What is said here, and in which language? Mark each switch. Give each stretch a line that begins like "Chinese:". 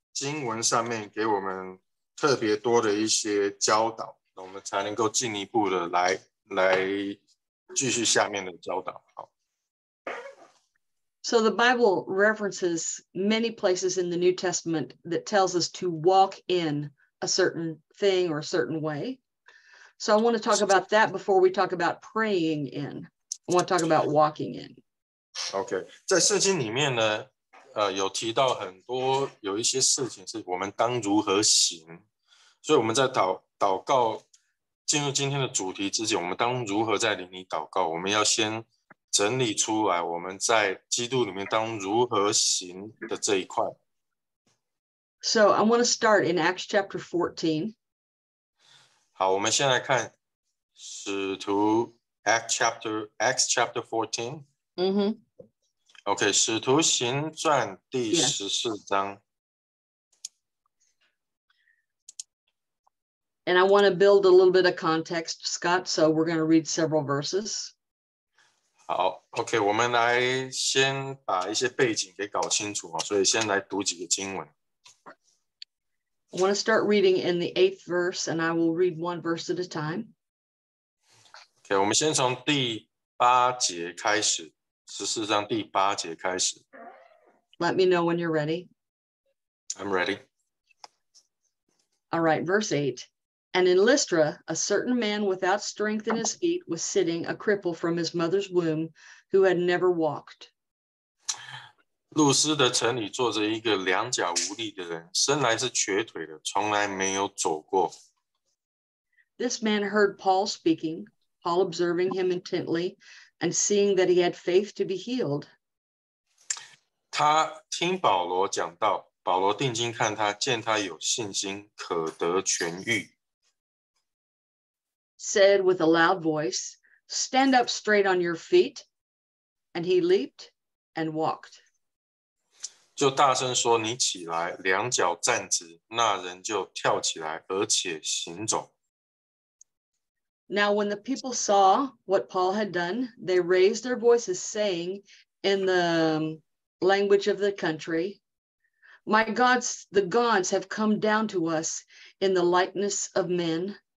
Chinese: 经文上面给我们特别多的一些教导，我们才能够进一步的来继续下面的教导。好。
English: So the Bible references many places in the New Testament that tells us to walk in a certain thing or a certain way. So I want to talk about that before we talk about praying in. I want to talk about walking in. Okay.
Chinese: 在圣经里面呢，有提到很多，有一些事情是我们当如何行。所以我们在祷告进入今天的主题之前，我们当如何在灵里祷告，我们要先整理出来我们在基督里面当如何行的这一块。
English: So I want to start in Acts chapter 14.
Chinese: 好，我们先来看使徒
English: Acts chapter 14. Mm-hmm.
Chinese: Okay, 使徒行传第十四章。 Yeah.
English: And I want to build a little bit of context, Scott, so we're going to read several verses.
Chinese: 好 ,OK, 我们来先把一些背景给搞清楚，所以先来读几个经文。
English: I want to start reading in the 8th verse, and I will read one verse at a time.
Chinese: OK, 我们先从第八节开始，14章第八节开始。
English: Let me know when you're ready. I'm ready. All right, verse 8. And in Lystra, a certain man without strength in his feet was sitting, a cripple from his mother's womb, who had never walked.
Chinese: 路斯的城里坐着一个两脚无力的人，生来是瘸腿的，从来没有走过。
English: This man heard Paul speaking, Paul observing him intently, and seeing that he had faith to be healed.
Chinese: 他听保罗讲道，保罗定睛看他，见他有信心，可得痊愈。
English: Said with a loud voice, Stand up straight on your feet. And he leaped and walked.
Chinese: 就大声说，你起来，两脚站直。那人就跳起来，而且行走。
English: Now when the people saw what Paul had done, they raised their voices, saying in the language of the country, My gods, the gods have come down to us in the likeness of men.